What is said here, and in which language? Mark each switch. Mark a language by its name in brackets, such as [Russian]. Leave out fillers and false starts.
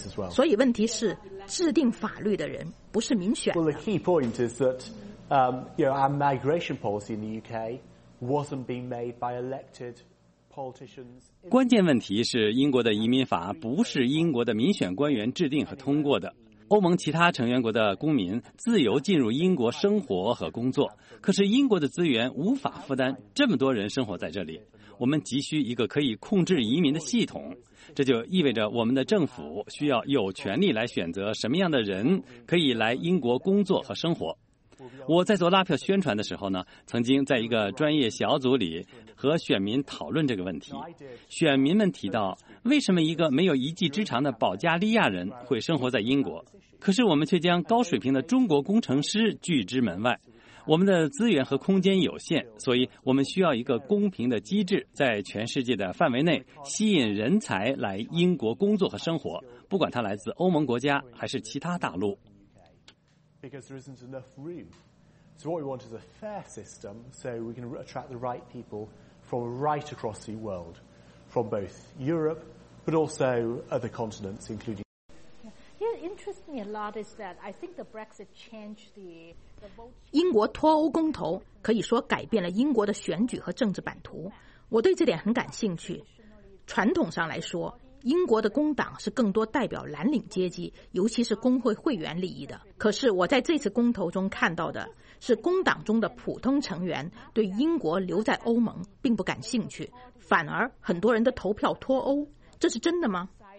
[Chinese] 所以问题是，制定法律的人不是民选的。 [English] Well, the key point is that, you know, our migration policy in the UK wasn't being made by elected politicians. [Chinese] 关键问题是，英国的移民法不是英国的民选官员制定和通过的。欧盟其他成员国的公民自由进入英国生活和工作，可是英国的资源无法负担这么多人生活在这里。我们急需一个可以控制移民的系统，这就意味着我们的政府需要有权利来选择什么样的人可以来英国工作和生活。我在做拉票宣传的时候呢，曾经在一个专业小组里和选民讨论这个问题。选民们提到，为什么一个没有一技之长的保加利亚人会生活在英国？可是我们却将高水平的中国工程师拒之门外。我们的资源和空间有限，所以我们需要一个公平的机制，在全世界的范围内吸引人才来英国工作和生活，不管他来自欧盟国家还是其他大陆。 [English] Because there isn't enough room. So what we want is a fair system so we can attract the right people from right across the world, from both Europe, but also other continents, including... Yeah, interests me a lot is that I think the Brexit changed the... [Chinese] 英国脱欧公投可以说改变了英国的选举和政治版图，我对这点很感兴趣。传统上来说，英国的工党是更多代表蓝领阶级，尤其是工会会员利益的。可是我在这次公投中看到的是，工党中的普通成员对英国留在欧盟并不感兴趣，反而很多人的投票脱欧，这是真的吗？